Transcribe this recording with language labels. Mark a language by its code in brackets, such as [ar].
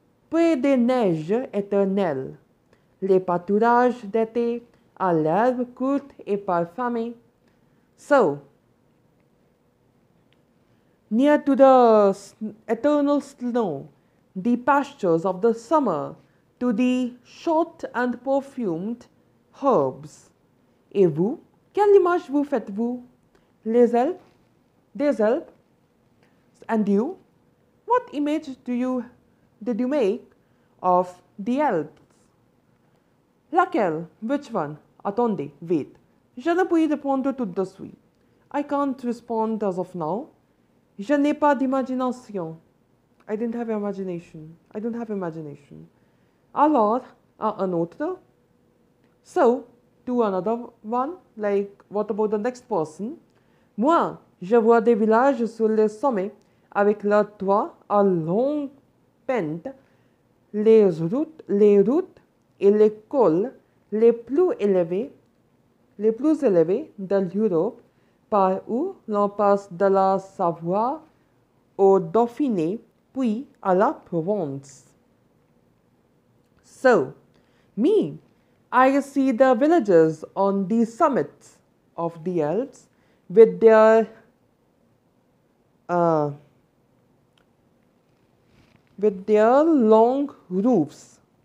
[fr] Près des neiges éternelles, les pâturages d'été à l'herbe courte et parfumée. [en] So, near to the eternal snow, the pastures of the summer, to the short and perfumed herbs. [fr] Et vous, quelle image vous faites-vous? Les Alpes, des Alpes, [en] and you, what image did you make of the Alpes? [fr] Laquelle, [en] which one? [fr] Attendez, [en] wait. [fr] Je ne puis répondre tout de suite. [en] I can't respond as of now. [fr] Je n'ai pas d'imagination. [en] I didn't have imagination. I don't have imagination. [fr] Alors, à un autre. [en] So, to another one, like, what about the next person? [fr] Moi, je vois des villages sur les sommets avec leurs toits à longue pente, les routes et les cols les plus élevés de l'Europe par où l'on passe de la Savoie au Dauphiné puis à la Provence. [en] So, me, I see the villages on the summits of the Alps with their long roofs